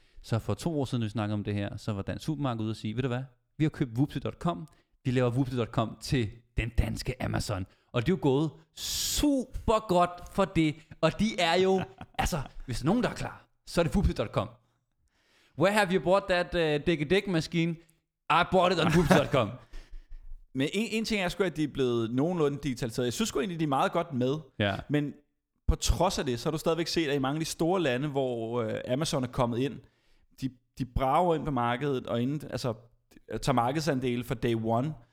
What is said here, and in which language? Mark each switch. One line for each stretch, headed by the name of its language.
Danish: Så for to år siden, vi snakkede om det her, så var Dansk Supermarked ude at sige, ved du hvad, vi har købt Whoopsie.com, vi laver Whoopsie.com til den danske Amazon. Og det er jo gået super godt for det. Og de er jo, altså, hvis der er nogen, der er klar, så er det Whoopsie.com.
English: Where have you bought that dæk-dæk-maskine? I bought it on Whoopsie.com.
Danish: Men en ting er sgu, at de er blevet nogenlunde digitaliseret. Jeg synes sgu egentlig, de er meget godt med. Ja. Men på trods af det, så har du stadigvæk set, at i mange af de store lande, hvor Amazon er kommet ind, de brager ind på markedet og inden, altså, tager markedsandele
English: for day one.